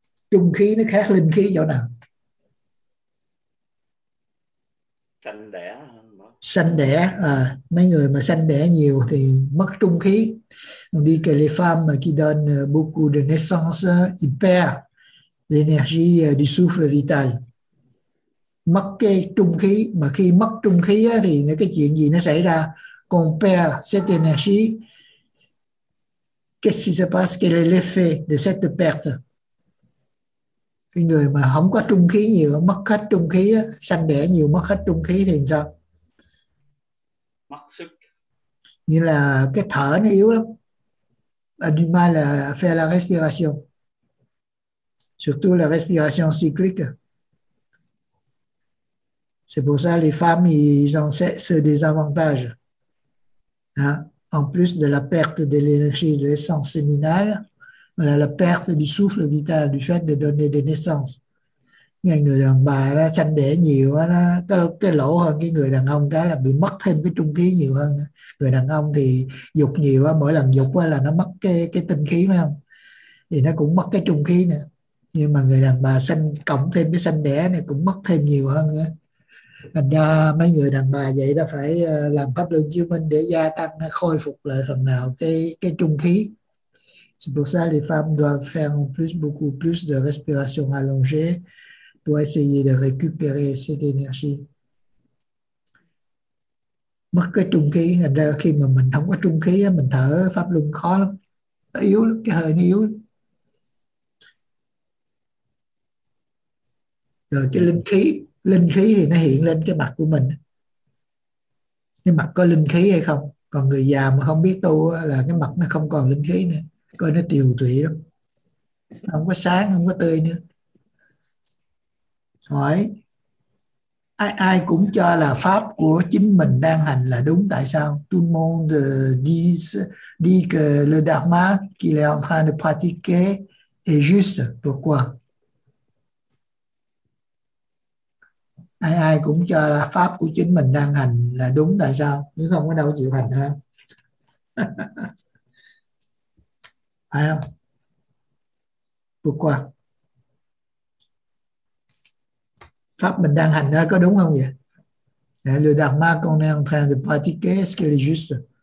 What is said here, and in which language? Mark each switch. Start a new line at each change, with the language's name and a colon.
Vietnamese: Trung khí nó khác linh khí chỗ nào? Sanh đẻ. Sanh đẻ. Mấy người mà sanh đẻ nhiều thì mất trung khí.
French: On dit que les femmes qui donnent beaucoup de naissance, ils perdent l'énergie du souffle vital.
Vietnamese: Mất cái trung khí. Mà khi mất trung khí thì cái chuyện gì nó xảy ra?
French: Qu'on perd cette énergie. Qu'est-ce qui se passe? Quel est l'effet de cette perte?
Vietnamese: Cái người mà không có trung khí nhiều, mất hết trung khí, sanh đẻ nhiều, mất hết trung khí thì sao? Mất sức. Như là cái thở nó yếu lắm. Animal là
French: faire la respiration. Surtout la respiration cyclique. C'est pour ça les femmes, ils ont ce désavantage. Hein? En plus de la perte de l'énergie de l'essence séminale, là la perte du souffle vital du fait de donner des naissances.
Vietnamese: Ngay người đàn bà nó sanh đẻ nhiều nó cái lỗ hơn cái người đàn ông, cái là bị mất thêm cái trung khí nhiều hơn. Người đàn ông thì dục nhiều á, mỗi lần dục á là nó mất cái tinh khí, phải không? Thì nó cũng mất cái trung khí nữa. Nhưng mà người đàn bà sanh cộng thêm cái sanh đẻ này cũng mất thêm nhiều hơn nữa. Thành ra mấy người đàn bà vậy đó phải làm pháp luân chiếu minh để gia tăng khôi phục lại phần nào cái trung khí.
French: C'est pour ça que les femmes doivent faire en plus beaucoup plus de respiration allongée pour essayer de récupérer cette énergie.
Vietnamese: Mất cái trung khí, thành ra khi mà mình không có trung khí, mình thở pháp luân khó lắm, nó yếu lắm, cái hơi nó yếu. Rồi cái linh khí thì nó hiện lên cái mặt của mình. Cái mặt có linh khí hay không? Còn người già mà không biết tu là cái mặt nó không còn linh khí nữa. Coi nó tiều tụy lắm, không có sáng, không có tươi nữa. Hỏi ai ai cũng cho là pháp của chính mình đang hành là đúng, tại sao?
French: Tout le monde dit que le dharma qu'il est en train de pratiquer est juste. Pourquoi?
Vietnamese: ai ai cũng cho là pháp của chính mình đang hành là đúng, tại sao nếu không có đâu chịu hành ha. Phải không? Vượt qua pháp mình đang hành có đúng không vậy?
French: Le dharma qu'on est en train de pratiquer, est-ce qu'il est juste?